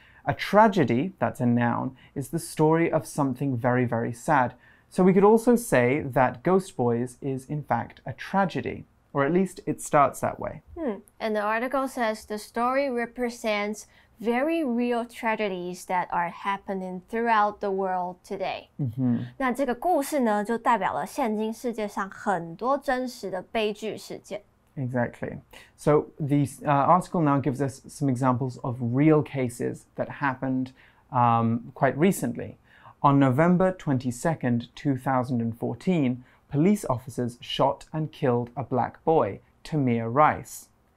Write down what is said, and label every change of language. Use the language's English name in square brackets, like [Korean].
[English] A tragedy, that's a noun, is the story of something very, very sad. So we could also say that Ghost Boys is, in fact, a tragedy. Or at least it starts that way. And the article says the story represents very real tragedies that are happening throughout the world today. [Chinese] 那这个故事呢，就代表了现今世界上很多真实的悲剧事件。 [English] Exactly. So the article now gives us some examples of real cases that happened quite recently. On November 22nd, 2014, police officers shot and killed a black boy, Tamir Rice.